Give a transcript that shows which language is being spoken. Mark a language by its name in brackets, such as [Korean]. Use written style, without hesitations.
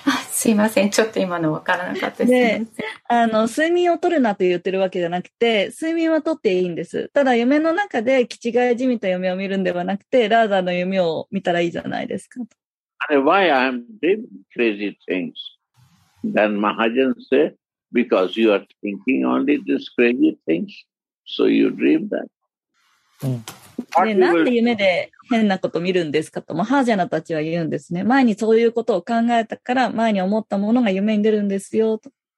[Japanese] すいません、ちょっと今の分からなかったです。で、睡眠を取るなと言ってるわけじゃなくて、睡眠は取っていいんです。ただ、夢の中で、キチガヤジミと夢を見るんではなくて、ラーダの夢を見たらいいじゃないですか。 [English] Why I'm doing crazy things? Then Mahajan said, because you are thinking only these crazy things, so you dream that. [Japanese] ね、なんで夢で変なこと見るんですかと、マハージャナたちは言うんですね。前にそういうことを考えたから、前に思ったものが夢に出るんですよ、と。